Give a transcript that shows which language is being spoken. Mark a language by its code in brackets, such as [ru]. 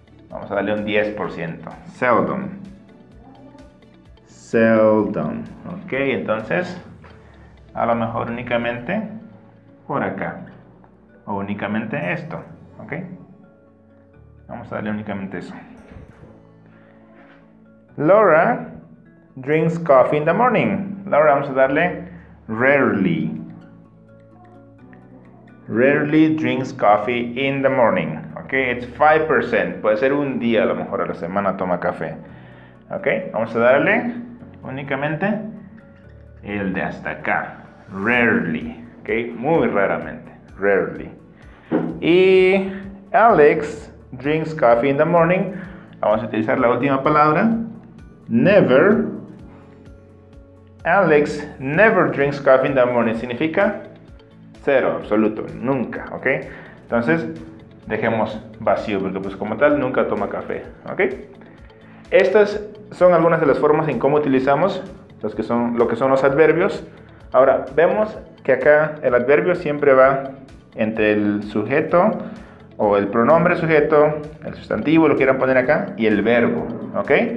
[es] Vamos a darle un 10%. Seldom. Seldom. Ok, entonces, a lo mejor únicamente por acá. O únicamente esto. Ok. Vamos a darle únicamente eso. [en] Laura drinks coffee in the morning. [es] Laura, vamos a darle rarely. [en] Rarely drinks coffee in the morning. Ok, it's 5%. [es] Puede ser un día a lo mejor a la semana toma café. Ok, vamos a darle únicamente el de hasta acá. Rarely. Ok, muy raramente. Rarely. [en] Y Alex drinks coffee in the morning. [es] Vamos a utilizar la última palabra. Never. [en] Alex never drinks coffee in the morning. [es] Significa cero, absoluto, nunca, ¿ok? Entonces, dejemos vacío, porque pues como tal, nunca toma café, ¿ok? Estas son algunas de las formas en cómo utilizamos los que son, lo que son los adverbios. Ahora, vemos que acá el adverbio siempre va entre el sujeto o el pronombre sujeto, el sustantivo, lo quieran poner acá, y el verbo, ¿ok?